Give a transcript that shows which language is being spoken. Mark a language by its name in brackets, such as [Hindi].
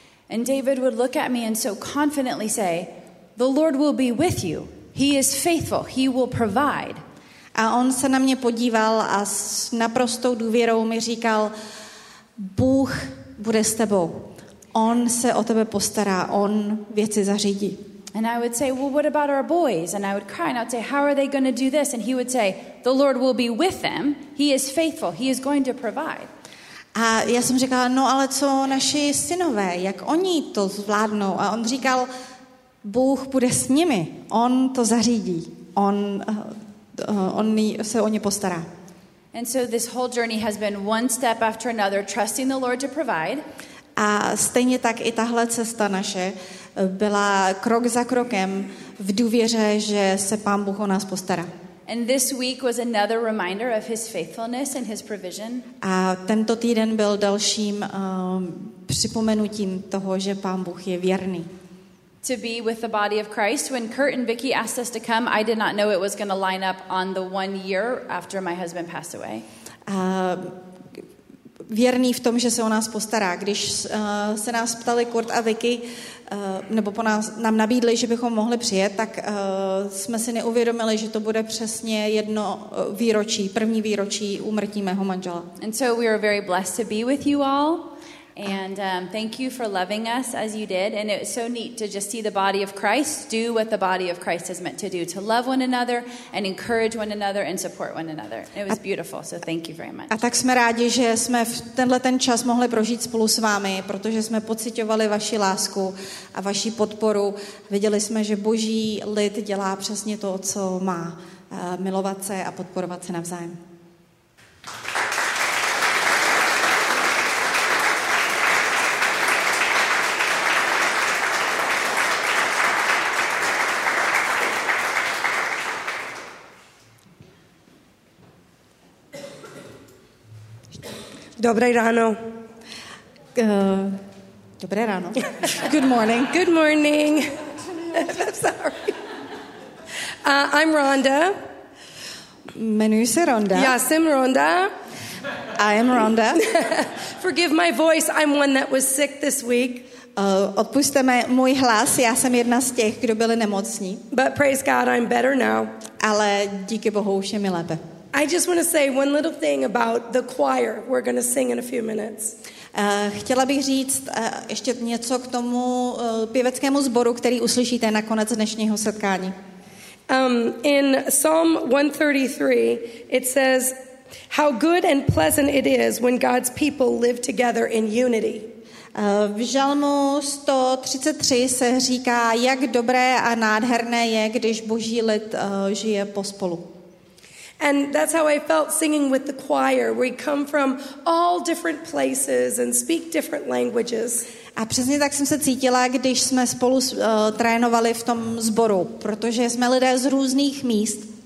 [English] And David would look at me and so confidently say, the Lord will be with you. He is faithful. He will provide. [Czech] A on se na mě podíval a s naprostou důvěrou mi říkal, Bůh bude s tebou. On se o tebe postará. On věci zařídí. [English] And I would say, well, what about our boys? And I would cry and I would say, how are they going to do this? And he would say, the Lord will be with them. He is faithful. He is going to provide. [Czech] A já jsem říkala, no ale co naši synové, jak oni to zvládnou? A on říkal, Bůh bude s nimi, on to zařídí, on on se o ně postará. [English] And so this whole journey has been one step after another, trusting the Lord to provide. [Czech] A stejně tak i tahle cesta naše byla krok za krokem v důvěře, že se Pán Bůh o nás postará. [English] And this week was another reminder of his faithfulness and his provision. [Czech] A tento týden byl dalším připomenutím toho, že Pán Bůh je věrný. [English] To be with the body of Christ. When Kurt and Vicky asked us to come, I did not know it was going to line up on the 1 year after my husband passed away. [Czech] Věrný v tom, že se o nás postará. Když se nás ptali Kurt a Vicky, nebo po nás, nám nabídli, že bychom mohli přijet, tak jsme si neuvědomili, že to bude přesně jedno výročí, první výročí úmrtí mého manžela. [English] And so we are very blessed to be with you all. And thank you for loving us as you did. And it was so neat to just see the body of Christ do what the body of Christ is meant to do, to love one another and encourage one another and support one another. It was beautiful. So thank you very much. [Czech] A tak jsme rádi, že jsme v tenhle ten čas mohli prožít spolu s vámi, protože jsme pociťovali vaši lásku a vaši podporu. Viděli jsme, že Boží lid dělá přesně to, co má, milovat se a podporovat se navzájem. Dobré ráno. Dobré ráno. [English] Good morning. Good morning. Sorry. I'm Rhonda. [Czech] Jmenuji se Rhonda. Já jsem Rhonda. [English] I am Rhonda. Forgive my voice. I'm one that was sick this week. [Czech] Odpusťte mi můj hlas. Já jsem jedna z těch, kdo byli nemocní. [English] But praise God, I'm better now. [Czech] Ale díky Bohu už je mi lépe. [English] I just want to say one little thing about the choir we're going to sing in a few minutes. [Czech] Chtěla bych říct ještě něco k tomu pěveckému sboru, který uslyšíte na konec dnešního setkání. [English] In Psalm 133 it says how good and pleasant it is when God's people live together in unity. [Czech] V Žalmu 133 se říká, jak dobré a nádherné je, když Boží lid žije pospolu. [English] And that's how I felt singing with the choir. We come from all different places and speak different languages. [Czech] A přesně tak jsem se cítila, když jsme spolu trénovali v tom sboru, protože jsme lidé z různých míst.